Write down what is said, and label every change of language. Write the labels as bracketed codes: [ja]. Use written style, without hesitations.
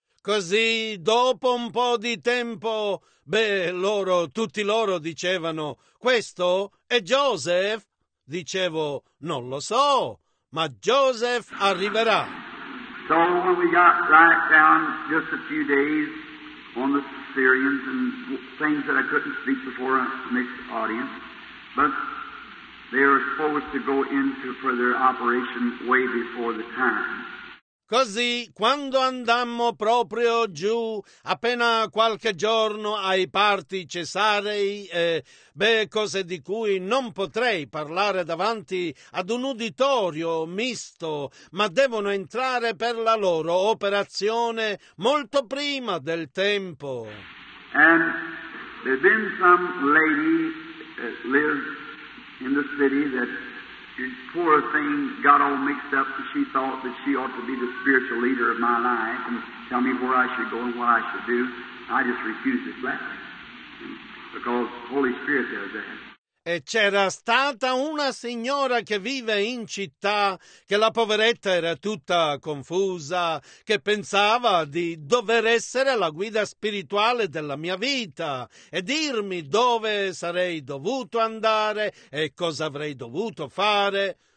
[it] Così, dopo un po' di tempo, beh, loro, tutti loro dicevano, questo è Joseph? Dicevo, non lo so, ma Joseph arriverà. [en] So when we got right down just a few days on the Syrians and things that I couldn't speak before a mixed audience, but they were supposed to go into for their operation way before the time. [it] Così, quando andammo proprio giù, appena qualche giorno ai parti cesarei, beh, cose di cui non potrei parlare davanti ad un uditorio misto, ma devono entrare per la loro operazione molto prima del tempo. [en] And there's been some lady that lives in the city that poor thing got all mixed up, and she thought that she ought to be the spiritual leader of my life and tell me where I should go and what I should do. I just refused it flatly because the Holy Spirit does that. [it] E c'era stata una signora che vive in città, che la poveretta era tutta confusa, che pensava di dover essere la guida spirituale della mia vita e dirmi dove sarei dovuto andare e cosa avrei dovuto fare.